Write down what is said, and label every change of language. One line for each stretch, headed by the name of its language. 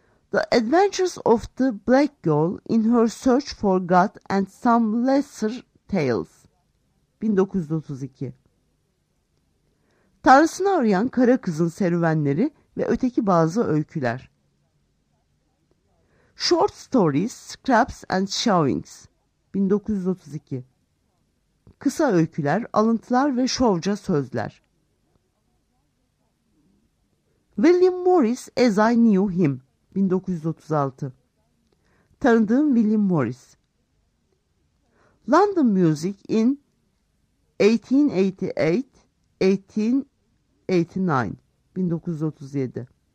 English: The Adventures of the Black Girl in Her Search for God and Some Lesser Tales, 1932.
Turkish: Tanrısını Arayan Kara Kızın Serüvenleri ve Öteki Bazı Öyküler.
English: Short Stories, Scraps and Showings, 1932.
Turkish: Kısa Öyküler, Alıntılar ve Şovca Sözler.
English: William Morris As I Knew Him, 1936.
Turkish: Tanıdığım William Morris.
English: London Music in 1888-1889, 1937.